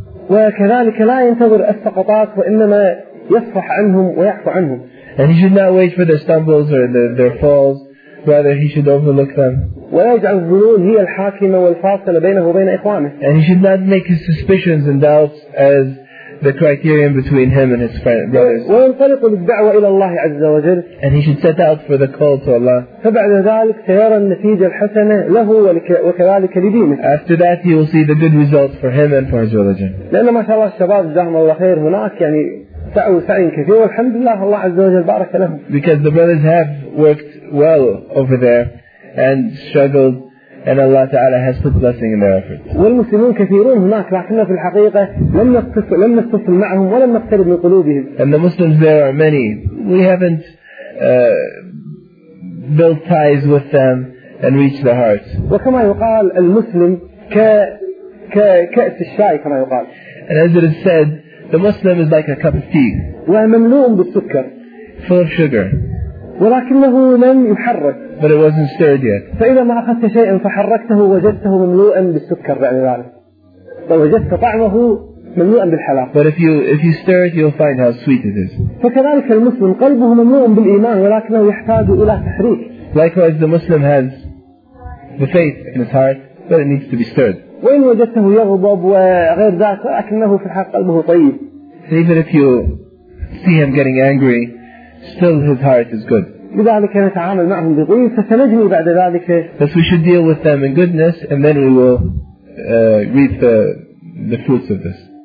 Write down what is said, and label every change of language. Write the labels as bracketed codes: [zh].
[ar] وكذلك لا ينتظر السقطات وإنما يصفح عنهم ويعفو عنهم. [en] And he should not wait for their stumbles or their falls. Rather, he should overlook them. [ar] ويجعل الظنون هي الحاكمة والفاصلة بينه وبين إخوانه. [en] And he should not make his suspicions and doubts as the criterion between him and his brothers. [ar] وينطلق بالدعوة إلى الله عز وجل. [en] And he should set out for the call to Allah. [ar] فبعد ذلك سيرى النتيجة الحسنة له وكذلك لدينه. [en] After that, he will see the good results for him and for his religion. [ar] لأن ما شاء الله الشباب جزاهم الله خير هناك يعني. [en] Because the brothers have worked well over there and struggled, and Allah Ta'ala has put blessing in their efforts. And the Muslims there are many. We haven't built ties with them and reached their hearts. And as it is said, the Muslim is like a cup of tea. [ar] وَمَمْلُوءٌ بِالسُّكَّرِ [en] Full of sugar. [ar] وَلَكِنَّهُ لَمْ يُحَرَّكْ [en] But it wasn't stirred yet. [ar] فَإِذَا مَا أَخَذْتَ شَيْئًا فَحَرَّكْتَهُ وَجَدْتَهُ مَمْلُوءًا بِالسُّكَّرِ بعد ذلك. فَوَجَدْتَ طَعْمَهُ مَمْلُوءًا بِالْحَلَاوَةِ [en] But if you stir it, you'll find how sweet it is. [ar] فكذلك المسلم قلبه مملوء بالإيمان ولكنه يحتاج إلى تحريك. [en] Likewise, the Muslim has the faith in his heart, but it needs to be stirred. [ar] وإن وجدته يغضب وغير ذات لكنه في الحق قلبه طيب. [en] Even if you see him getting angry, still his heart is good. [ar] لذلك نتعامل معهم بطيب فسنجني بعد ذلك. [en] Thus we should deal with them in goodness and then we will reap the fruits of this.